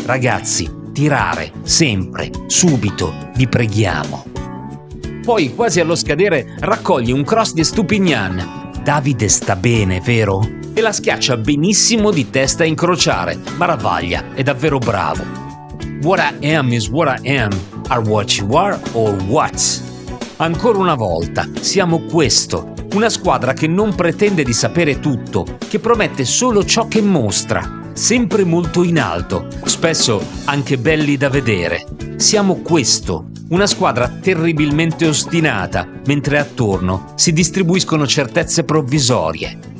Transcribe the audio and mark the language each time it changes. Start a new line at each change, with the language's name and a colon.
Italian: Ragazzi, tirare, sempre, subito, vi preghiamo. Poi, quasi allo scadere, raccoglie un cross di Stupignan. Davide sta bene, vero? E la schiaccia benissimo di testa a incrociare, ma Ravaglia è davvero bravo.
English: What I am is what I am, are what you are or what?
Italian: Ancora una volta, siamo questo, una squadra che non pretende di sapere tutto, che promette solo ciò che mostra, sempre molto in alto, spesso anche belli da vedere. Siamo questo. Una squadra terribilmente ostinata, mentre attorno si distribuiscono certezze provvisorie.